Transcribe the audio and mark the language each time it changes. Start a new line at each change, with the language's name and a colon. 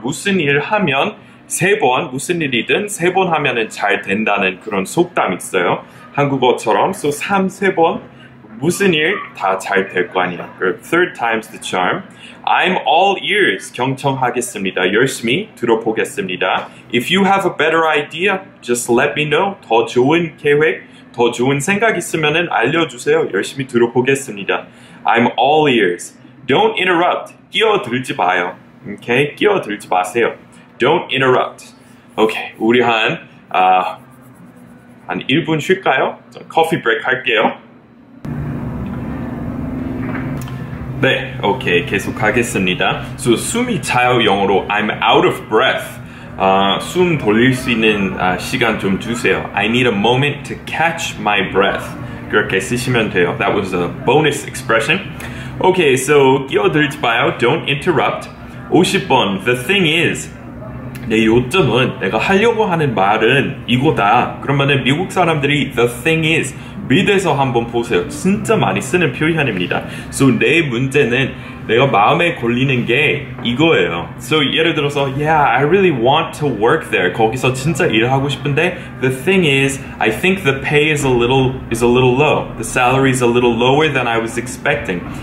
Korean: 무슨 일 하면 세 번, 무슨 일이든 세 번 하면은 잘 된다는 그런 속담 있어요. 한국어처럼 so 3, 세 번 무슨 일 다 잘 될 거 아니야.
English: Third time's the charm. I'm all ears.
Korean: 경청하겠습니다. 열심히 들어보겠습니다.
English: If you have a better idea, just let me know.
Korean: 더 좋은 계획, 더 좋은 생각 있으면은 알려주세요. 열심히 들어보겠습니다.
English: I'm all ears. Don't interrupt.
Korean: 끼어들지 마요.
English: Okay?
Korean: 끼어들지 마세요.
English: Don't interrupt. Okay.
Korean: 우리 한 1분 쉴까요? 커피 브레이크 할게요. 네, 오케이, 계속 하겠습니다.
English: So,
Korean: 숨이 차요, 영어로.
English: I'm out of breath.
Korean: 숨 돌릴 수 있는 시간 좀 주세요.
English: I need a moment to catch my breath.
Korean: 그렇게 쓰시면 돼요.
English: That was a bonus expression. Okay, so,
Korean: 끼어들지 마요.
English: Don't interrupt.
Korean: 50번,
English: the thing is,
Korean: 내 요점은 내가 하려고 하는 말은 이거다. 그러면은 미국 사람들이
English: the thing is,
Korean: 미드에서 한번 보세요. 진짜 많이 쓰는 표현입니다. So 내 문제는 내가 마음에 걸리는 게 이거예요.
English: So
Korean: 예를 들어서
English: Yeah, I really want to work there.
Korean: 거기서 진짜 일하고 싶은데
English: The thing is, I think the pay is a little low. The salary is a little lower than I was expecting.